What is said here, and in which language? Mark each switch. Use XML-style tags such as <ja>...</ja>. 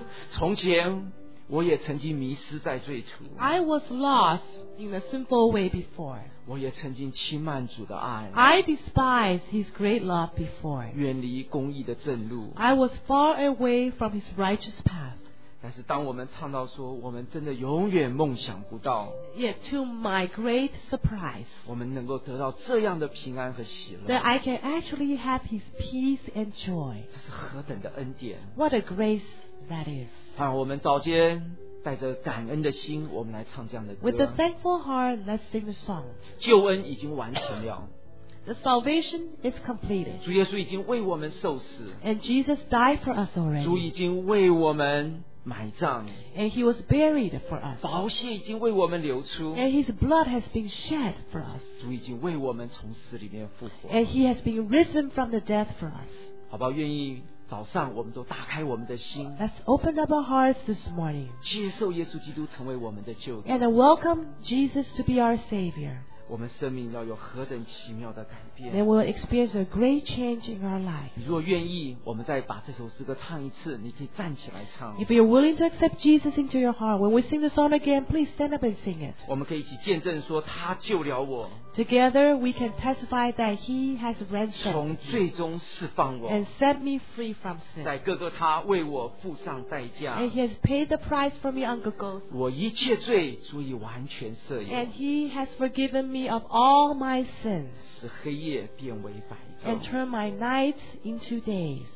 <zh>从前我也曾经迷失在最初，</zh> <en>I was lost in a sinful way before，</en> <zh>我也曾经轻慢主的爱，</zh> <en>I despised his great love before，</en> <zh>远离公义的正路，</zh> <en>I was far away from his righteous path。</en> <zh>但是当我们唱到说我们真的永远梦想不到，</zh> <en>yet to my great surprise，</en> <zh>我们能够得到这样的平安和喜乐，</zh> <en>that I can actually have his peace and joy，</en> <zh>这是何等的恩典，</zh> <en>what a grace that is。</en> <zh>啊，我们早间带着感恩的心，我们来唱这样的歌。</zh> <en>With a thankful heart, let's sing the song.</en> <zh>救恩已经完成了。</zh> <en>The salvation is completed.</en> <zh>主耶稣已经为我们受死。</zh> <en>And Jesus died for us already.</en> <zh>主已经为我们埋葬。</zh> <en>And he was buried for us.</en> <zh>宝血已经为我们流出。</zh> <en>And his blood has been shed for us.</en> <zh>主已经为我们从死里面复活。</zh> <en>And he has been risen from the dead for us.</en> <zh>好不好愿意？早上我们都打开我们的心，</zh> <en>Let's open up our hearts this morning，</en> <zh>接受耶稣基督成为我们的救主，</zh> <en>And welcome Jesus to be our Savior，</en> <zh>我们生命要有何等奇妙的改变，</zh> <en>Then we'll experience a great change in our life。</en> <zh>如果愿意我们再把这首诗歌唱一次，你可以站起来唱。</zh> <en>If you're willing to accept Jesus into your heart when we sing the song again, please stand up and sing it。</en> <zh>我们可以一起见证说他救了我，</zh> <en>Together we can testify that he has ransomed，</en> <zh>从最终释放我，</zh> <en>and set me free from sin，</en> <zh>在哥哥他为我付上代价，</zh> <en>and he has paid the price for me on Golgotha，</en> <zh>我一切罪足以完全赦免，</zh> <en>and he has forgiven me of all my sins，</en> <zh>使黑夜变为白昼，</zh> <en>and turn my nights into days。</en>